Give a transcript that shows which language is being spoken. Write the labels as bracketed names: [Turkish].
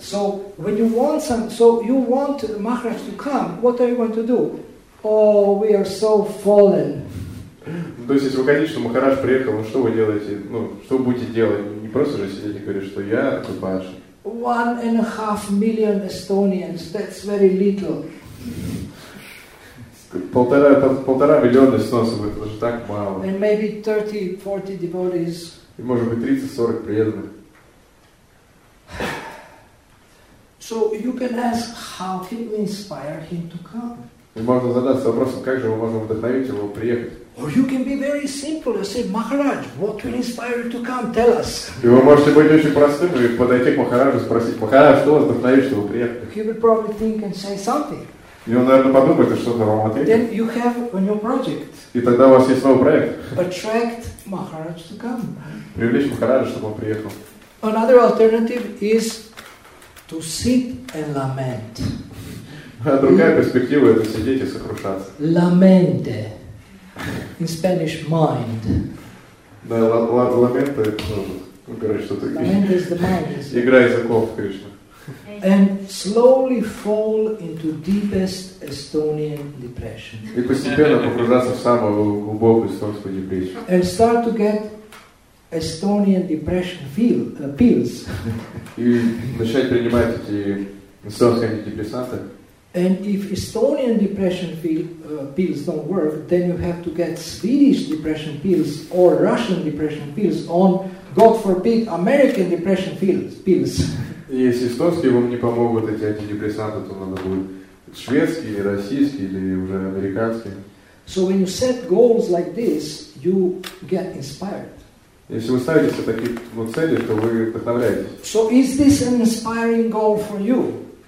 [English] So when you want some, so you want Maharaj to come, what are you going to do? Oh, we are so fallen. [Russian] То есть, если вы хотите, чтобы Махарадж приехал, ну что вы делаете? Ну, что вы будете делать? Не просто же сидеть и говорить, что я Махарадж. [English] 1.5 million Estonians, that's very little. [Russian] Полтора миллиона эстонцев, это же так мало. [English] And maybe 30-40 devotees. [Russian] И может быть 30-40 преданных. [English] So you can ask, how can we inspire him to come? [Russian] И можно задаться вопросом, как же мы можем вдохновить его приехать? [English] Or you can be very simple and say, Maharaj, what will inspire you to come? Tell us. [Russian] И вы можете быть очень простым и подойти к Махараджу и спросить, Махарадж, что вас вдохновит, чтобы приехать? [English] He will probably think and say something. [Russian] И он, наверное, подумает, что-то вам ответит. [English] Then you have a new project. [Russian] И тогда у вас есть новый проект. [English] Attract Maharaj to come. [Russian] Привлечь Махараджа, чтобы он приехал. [English] Another alternative is to sit and lament. [Russian] А другая перспектива – это сидеть и сокрушаться. [English] Lamente. In Spanish, mind. [Russian] Да, lamente – это тоже. Ну, короче, что-то... [English] Lamente is the mind, is it? [Russian] Игра языков, конечно. [English] And slowly fall into deepest Estonian depression. [Russian] И постепенно погружаться в самую глубокую эстонскую депрессию. [English] And start to get Estonian depression pills. [Russian] И начать принимать эти эстонские антидепрессанты. [English] And if Estonian depression pills don't work, then you have to get Swedish depression pills or Russian depression pills on, God forbid, American depression pills. [Russian] Если эстонские вам не помогут эти антидепрессанты, то надо будет шведские, российские или уже американские. [English] So when you set goals like this, you get inspired. [Russian] Если вы ставите себе такие ну, цели, то вы вдохновляетесь. [English] So is this an inspiring goal for you?